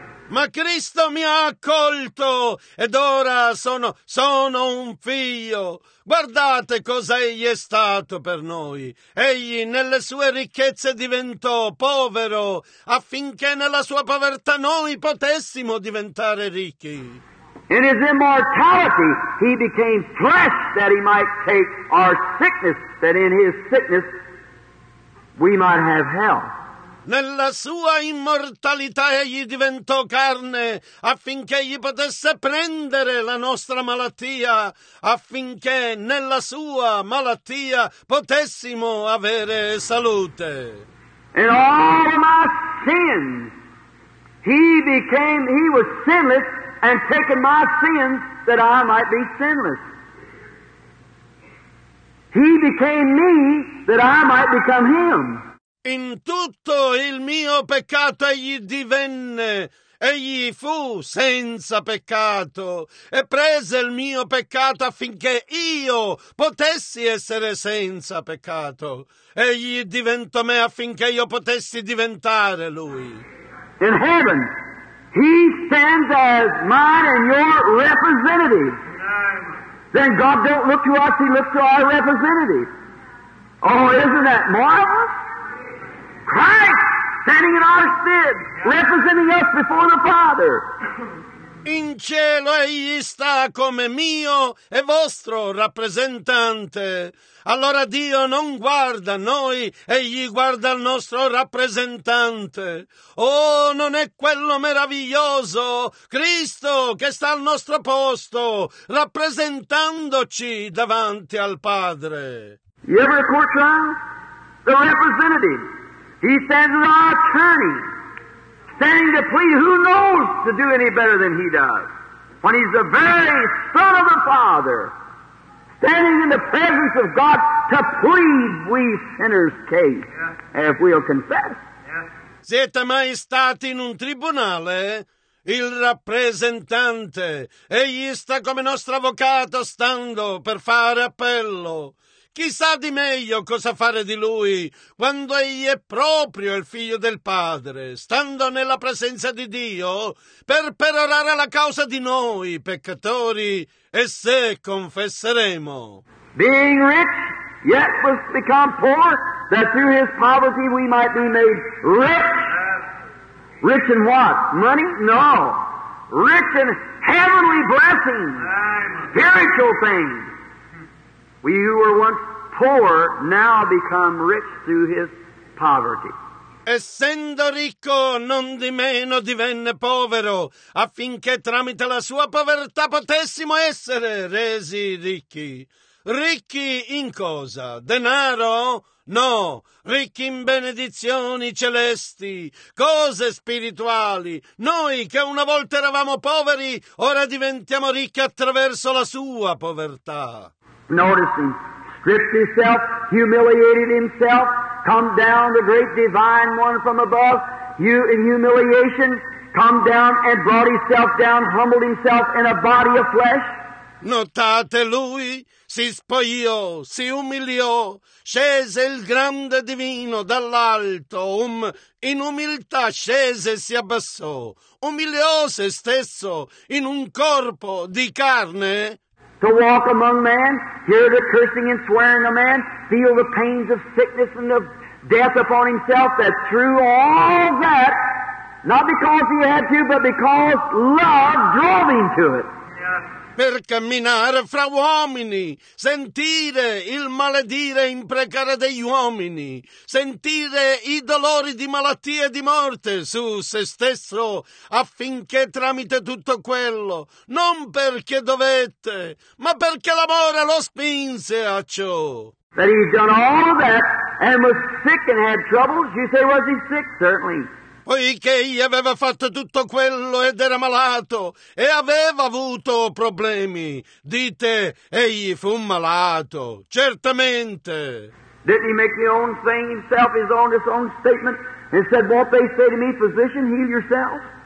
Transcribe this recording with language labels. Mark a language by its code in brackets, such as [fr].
[it] Ma Cristo mi ha accolto, ed ora sono un figlio. Guardate cosa egli è stato per noi. Egli nelle sue ricchezze diventò povero, affinché nella sua povertà noi potessimo diventare ricchi. [en] In his immortality he became flesh, that he might take our sickness, that in his sickness we might have health. [it] Nella sua immortalità egli diventò carne, affinché egli potesse prendere la nostra malattia, affinché nella sua malattia potessimo avere salute. [en] And all my sins, he was sinless and taken my sins that I might be sinless. He became me that I might become him. [it] In tutto il mio peccato egli divenne, egli fu senza peccato, e prese il mio peccato affinché io potessi essere senza peccato. Egli diventò me affinché io potessi diventare lui. [en] In heaven, he stands as mine and your representative. Then God don't look to us, he looks to our representative. Oh, isn't that marvelous? Christ standing in our stead, representing us before the Father. [it] In cielo egli sta come mio e vostro rappresentante. Allora Dio non guarda noi, egli guarda il nostro rappresentante. Oh, non è quello meraviglioso? Cristo che sta al nostro posto, rappresentandoci davanti al Padre. [en] You ever a court trial? The representative. He says it's our attorney standing to plead. Who knows to do any better than he does? When he's the very Son of the Father standing in the presence of God to plead we sinners' case, yeah, if we'll confess. [it] Siete mai stati in un tribunale? Il rappresentante, egli sta come nostro avvocato stando per fare appello. Chi sa di meglio cosa fare di lui quando egli è proprio il figlio del Padre, stando nella presenza di Dio per perorare la causa di noi peccatori, e se confesseremo. [en] Being rich, yet was become poor, that through his poverty we might be made rich. Rich in what? Money? No. Rich in heavenly blessings. Spiritual things. We who were once poor now become rich through his poverty. [it] Essendo ricco, non di meno divenne povero, affinché tramite la sua povertà potessimo essere resi ricchi. Ricchi in cosa? Denaro? No, ricchi in benedizioni celesti, cose spirituali. Noi che una volta eravamo poveri, ora diventiamo ricchi attraverso la sua povertà. [en] Noticing, stripped himself, humiliated himself, come down the great divine one from above, you in humiliation, come down and brought himself down, humbled himself in a body of flesh. [it] Notate lui, si spogliò, si umiliò, scese il grande divino dall'alto, in umiltà scese e si abbassò, umiliò se stesso in un corpo di carne. [en] To walk among men, hear the cursing and swearing of man, feel the pains of sickness and of death upon himself, that through all that, not because he had to, but because love drove him to it. [it] Per camminare fra uomini, sentire il maledire imprecare degli uomini, sentire i dolori di malattia e di morte su se stesso, affinché tramite tutto quello, non perché dovette, ma perché l'amore lo spinse a ciò. [en] That he's done all of that and was sick and had troubles. You say, was he sick? Certainly. [it] Poiché egli aveva fatto tutto quello ed era malato e aveva avuto problemi, dite, egli fu malato, certamente. [en] Didn't he make the own thing himself, his own, his own statement, and said, what they say to me, physician, heal yourself?